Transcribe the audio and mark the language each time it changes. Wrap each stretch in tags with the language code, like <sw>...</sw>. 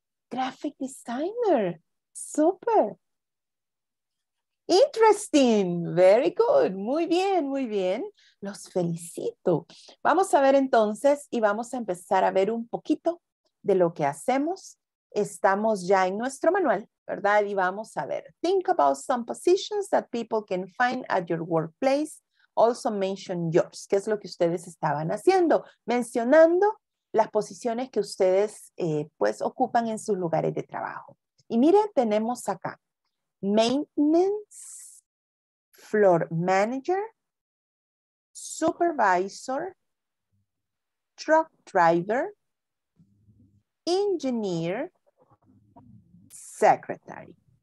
<en>Graphic designer, super. Interesting, very good.</en> <es>Muy bien, muy bien. Los felicito. Vamos a ver entonces y vamos a empezar a ver un poquito de lo que hacemos. Estamos ya en nuestro manual, ¿verdad? Y vamos a ver.</es> <en>Think about some positions that people can find at your workplace. Also mention yours.</en> <es>¿Qué es lo que ustedes estaban haciendo? Mencionando las posiciones que ustedes pues ocupan en sus lugares de trabajo. Y miren, tenemos acá.</es> <en>Maintenance, floor manager, supervisor, truck driver, engineer, secretary.</en>